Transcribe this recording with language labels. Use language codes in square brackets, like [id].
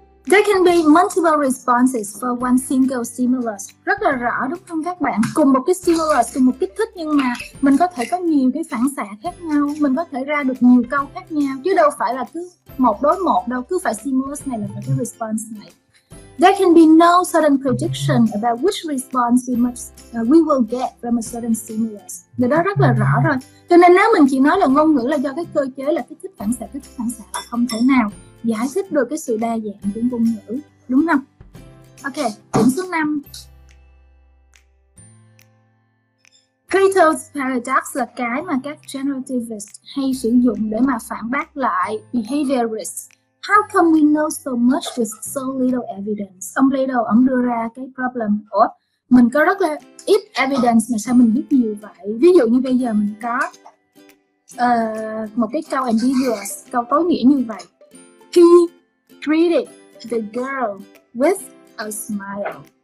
[en] There can be multiple responses for one single stimulus. [vi] Rất là rõ đúng không các bạn? Cùng một cái stimulus, cùng một kích thích, nhưng mà mình có thể có nhiều cái phản xạ khác nhau, mình có thể ra được nhiều câu khác nhau, chứ đâu phải là cứ một đối một đâu, cứ phải stimulus này là phải cái response này. [en] There can be no sudden prediction about which response we will get from a certain stimulus. [vi] Điều đó rất là rõ rồi. Cho nên nếu mình chỉ nói là ngôn ngữ là do cái cơ chế là kích thích phản xạ là không thể nào giải thích được cái sự đa dạng của ngôn ngữ, đúng không? Ok, điểm số 5. Crito's paradox là cái mà các generativists hay sử dụng để mà phản bác lại behaviorists. [en] How come we know so much with so little evidence? [vi] Ông Plato, ông đưa ra cái problem của mình có rất là ít evidence mà sao mình biết nhiều vậy? Ví dụ như bây giờ mình có một cái câu ambiguous, câu tối nghĩa như vậy. [en] He greeted the girl with a smile.